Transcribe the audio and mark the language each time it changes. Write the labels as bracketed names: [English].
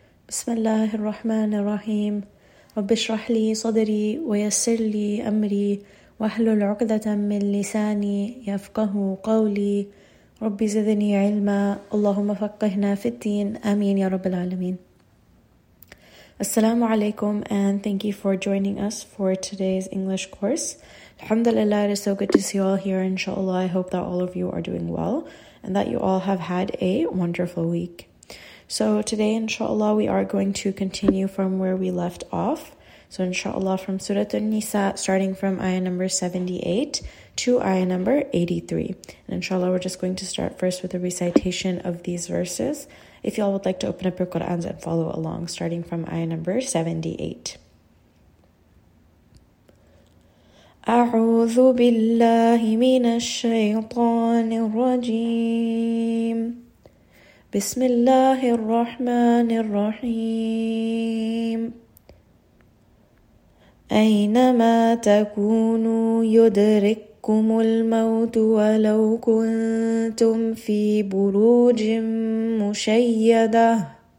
[Arabic] بسم الله الرحمن الرحيم. رب اشرح لي صدري ويسر لي أمري واحلل عقدة من لساني يفقه قولي. رب زدني علما، اللهم فقهنا في الدين، آمين يا رب العالمين. [English] السلام عليكم and thank you for joining us for today's English course. Alhamdulillah, it is so good to see you all here. Inshallah, I hope that all of you are doing well and that you all have had a wonderful week. So today, inshallah, we are going to continue from where we left off. So inshallah, from Surah An-Nisa, starting from ayah number 78 to ayah number 83. And inshallah, we're just going to start first with a recitation of these verses. If y'all would like to open up your Qur'ans and follow along, starting from ayah number 78. [Arabic] أعوذ بالله من الشيطان الرجيم بسم الله الرحمن الرحيم أينما تكونوا يدرككم الموت ولو كنتم في بروج مشيدة